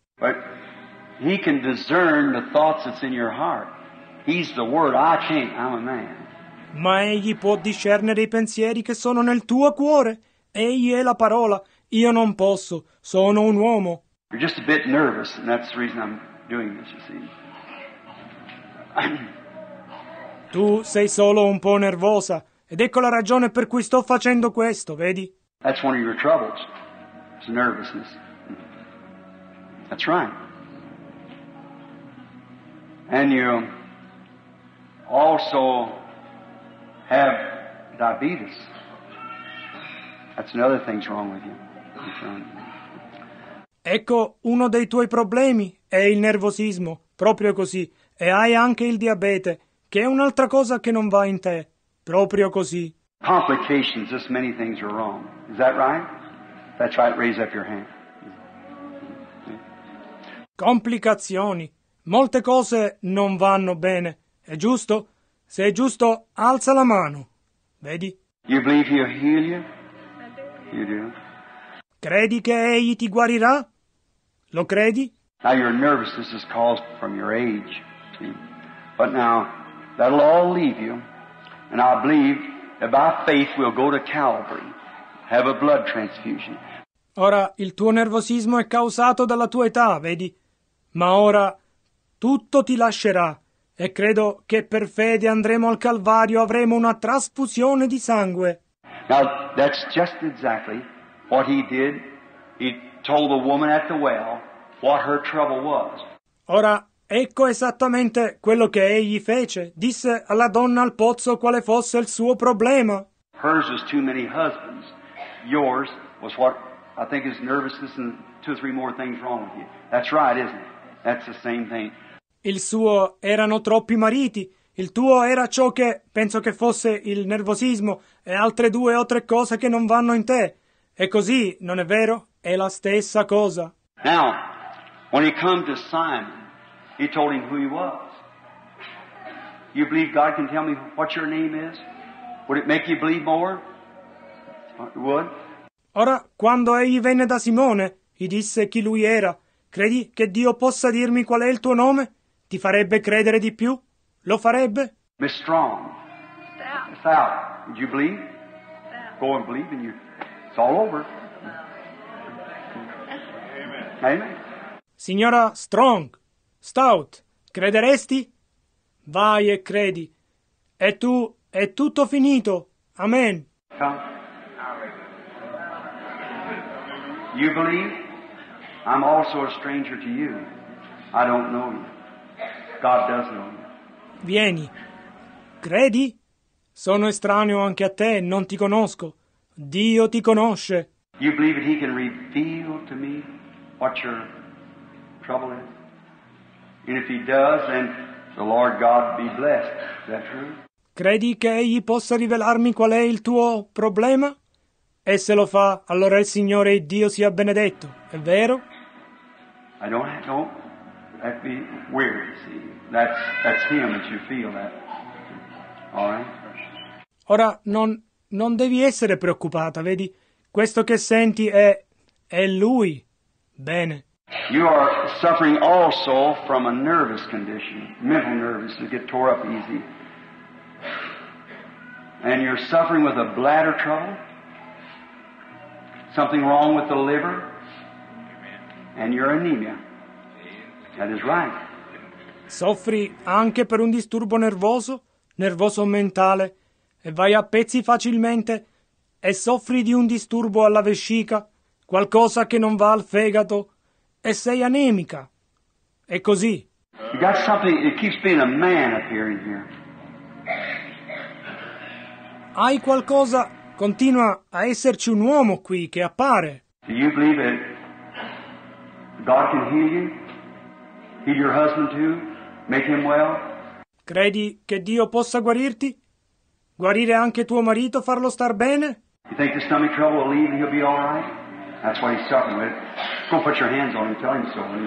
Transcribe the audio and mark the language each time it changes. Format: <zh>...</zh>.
<en>But He can discern the thoughts that's in your heart. He's the Word. I can't. I'm a man.</en> <it>Ma Egli può discernere i pensieri che sono nel tuo cuore. Egli è la parola. Io non posso. Sono un uomo.</it> <en>You're just a bit nervous, and that's the reason I'm doing this, you see.</en> <it>Tu sei solo un po' nervosa. Ed ecco la ragione per cui sto facendo questo, vedi?</it> <en>That's one of your troubles. It's nervousness. That's right. And you also have diabetes. That's another thing's wrong with you.</en> <it>Ecco, uno dei tuoi problemi è il nervosismo, proprio così. E hai anche il diabete, che è un'altra cosa che non va in te, proprio così.</it> <en>Complications, this many things are wrong. Is that right? That's right, raise up your hand.</en> <it>Complicazioni. Molte cose non vanno bene. È giusto? Se è giusto, alza la mano. Vedi?</it> <en>You believe He'll heal you? You do.</en> <it>Credi che Egli ti guarirà? Lo credi?</it> <en>Now your nervousness is caused from your age. But now, that'll all leave you. And I believe that by faith we'll go to Calvary. Have a blood transfusion.</en> <it>Ora, il tuo nervosismo è causato dalla tua età, vedi? Ma ora tutto ti lascerà e credo che per fede andremo al Calvario, avremo una trasfusione di sangue.</it> <en>Now, that's just exactly what he did. He told the woman at the well what her trouble was.</en> <it>Ora, ecco esattamente quello che egli fece. Disse alla donna al pozzo quale fosse il suo problema.</it> <en>Hers was too many husbands. Yours was what I think is nervousness and two or three more things wrong with you. That's right, isn't it? That's the same thing.</en> <it>Il suo erano troppi mariti. Il tuo era ciò che penso che fosse il nervosismo e altre due o tre cose che non vanno in te. E così, non è vero? È la stessa cosa.</it> <en>Now, when he come to Simon, he told him who he was. You believe God can tell me what your name is? Would it make you believe more? It would.</en> <it>Ora, quando egli venne da Simone, gli disse chi lui era. Credi che Dio possa dirmi qual è il tuo nome? Ti farebbe credere di più? Lo farebbe?</it> <en>Miss Strong. Sal. Would you believe? Sal. Go and believe and you... It's all over. Amen. Amen.</en> <it>Signora Strong, Stout, crederesti? Vai e credi. E tu, è tutto finito. Amen.</it> <en>Come. You believe? I'm also a stranger to you. I don't know you. God does know you.</en> <it>Vieni. Credi? Sono estraneo anche a te, non ti conosco. Dio ti conosce.</it> <en>You believe that he can reveal to me what your trouble is? And if he does, then the Lord God be blessed. Is that true?</en> <it>Credi che egli possa rivelarmi qual è il tuo problema? E se lo fa, allora il Signore Dio sia benedetto. È vero?</it> <en>I don't that'd be weird, see. That's him that you feel that. All right?</en> <it>Ora, non devi essere preoccupata, vedi? Questo che senti è lui. Bene.</it> <en>You are suffering also from a nervous condition. Mental nervous to get tore up easy. And you're suffering with a bladder trouble. Something wrong with the liver. And your anemia. That is right.</en> <it>Soffri anche per un disturbo nervoso mentale, e vai a pezzi facilmente, e soffri di un disturbo alla vescica, qualcosa che non va al fegato, e sei anemica. È così.</it> <en>You got something that keeps being a man appearing here.</en> <it>Hai qualcosa, continua a esserci un uomo qui che appare.</it> <en>Do you believe that God can heal you? Heal your husband too? Make him well?</en> <it>Credi che Dio possa guarirti? Guarire anche tuo marito, farlo star bene?</it> <en>You think the stomach trouble will leave and he'll be all right? That's what he's suffering with. Go put your hands on him, tell him so.</en>